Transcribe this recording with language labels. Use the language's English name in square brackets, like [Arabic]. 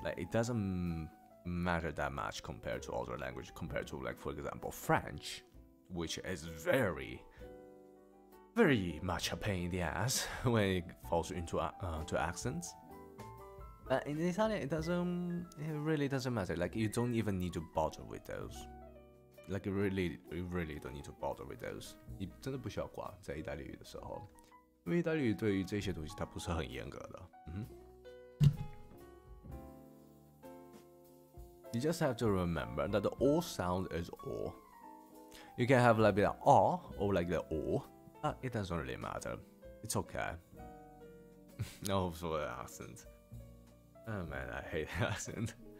[English] Like it doesn't matter that much compared to other language, compared to, like, for example, French, which is very, very much a pain in the ass when it falls into to accents. But in Italian, it really doesn't matter. Like, you don't even need to bother with those. Like, you really don't need to bother with those. [Chinese] 你真的不需要管在意大利语的时候, 因为意大利语对于这些东西它不是很严格的。 [English] You just have to remember that the O sound is O. You can have like a bit of O or like the O, but it doesn't really matter. It's okay. No, for the accent. Oh man, I hate the accent.